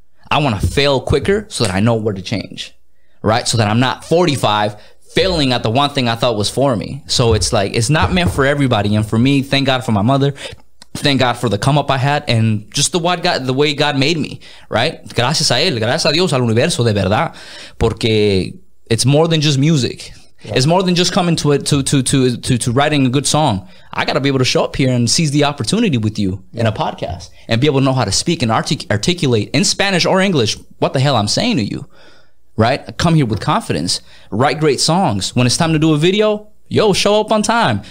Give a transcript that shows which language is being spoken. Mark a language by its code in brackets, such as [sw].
[en] I want to fail quicker so that I know where to change, right? So that I'm not 45 failing at the one thing I thought was for me. So it's like, it's not meant for everybody. And for me, thank God for my mother. Thank God for the come up I had and just the way God made me, right? [es] Gracias a él, gracias a Dios, al universo, de verdad. Porque [en] it's more than just music. Yeah. It's more than just coming to it to writing a good song. I got to be able to show up here and seize the opportunity with you in a podcast and be able to know how to speak and articulate in Spanish or English what the hell I'm saying to you, right? Come here with confidence. Write great songs. When it's time to do a video, yo, show up on time.